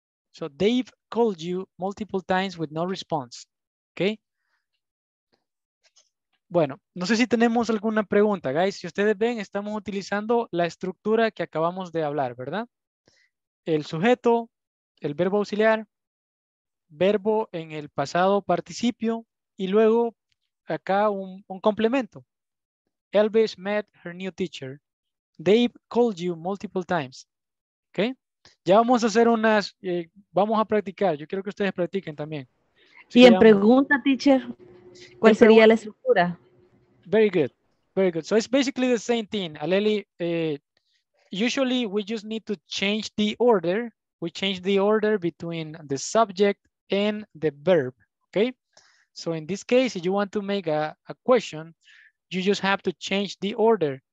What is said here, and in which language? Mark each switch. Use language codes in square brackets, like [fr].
[en] So they've called you multiple times with no response. Okay? [es] Bueno, no sé si tenemos alguna pregunta, guys. Si ustedes ven, estamos utilizando la estructura que acabamos de hablar, ¿verdad? El sujeto, el verbo auxiliar, verbo en el pasado participio, y luego acá un complemento. [en] Elvis met her new teacher. They've called you multiple times. Okay. [es] Ya vamos a hacer unas, vamos a practicar. Yo quiero que ustedes practiquen también. Si y en pregunta, teacher, ¿cuál sería la estructura? [en] Very good. Very good. So it's basically the same thing. Aleli, usually we just need to change the order. We change the order between the subject and the verb. Okay. So in this case, if you want to make a question, you just have to change the order.